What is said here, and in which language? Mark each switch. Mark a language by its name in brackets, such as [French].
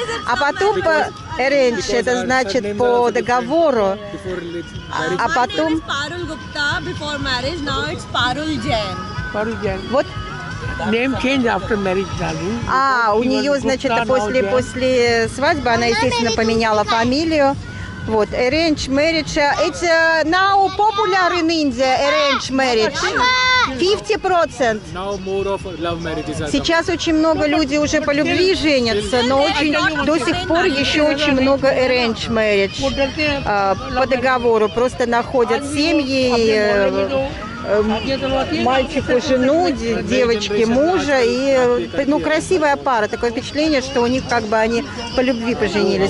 [Russian] А потом arranged, это значит по договору. А потом. [English] Parul Gupta before marriage, now it's Parul Jain. Parul Jain. What? Name change after marriage, darling. [Russian] А, у нее, значит, после свадьбы она, естественно, поменяла фамилию. [English] Вот, arranged marriage. It's now popular in India, arranged marriage. 50%. Now more of love marriage. [Russian] Сейчас очень много людей уже по любви женятся, но до сих пор еще очень много arranged marriage. По договору просто находят семьи. Мальчику жену, девочке мужа, и ну, красивая пара, такое впечатление, что у них как бы они по любви поженились.